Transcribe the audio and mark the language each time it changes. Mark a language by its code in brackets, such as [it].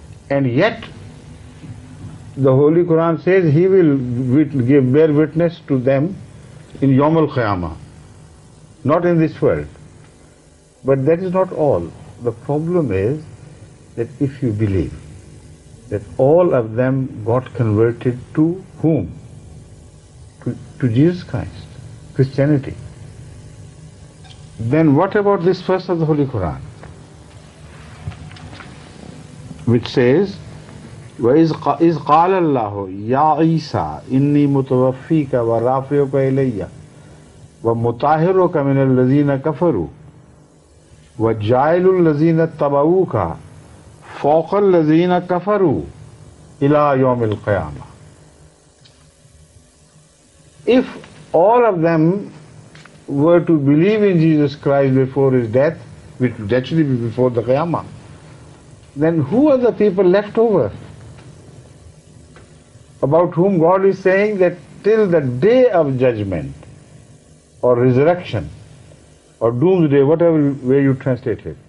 [en] And yet, the Holy Quran says he will bear witness to them in Yawm al-Qiyamah, not in this world. But that is not all. The problem is that if you believe that all of them got converted to whom? To Jesus Christ, Christianity. Then what about this verse of the Holy Quran, which says, [ar] وَإِذْ قَالَ اللَّهُ يَا عِيسَىٰ إِنِّي مُتَوَفِّيكَ وَرَافِعُكَ إِلَيَّ وَمُطَاهِرُكَ مِنَ الَّذِينَ كَفَرُوا وَجَائِلُ الَّذِينَ اتَّبَعُوكَ فَوْقَ الَّذِينَ كَفَرُوا إِلَىٰ يَوْمِ الْقِيَامَةِ. [en] if all of them were to believe in Jesus Christ before his death, which would actually be before the Qiyamah, then who are the people left over about whom God is saying that till the day of judgment or resurrection or doomsday, whatever way you translate it,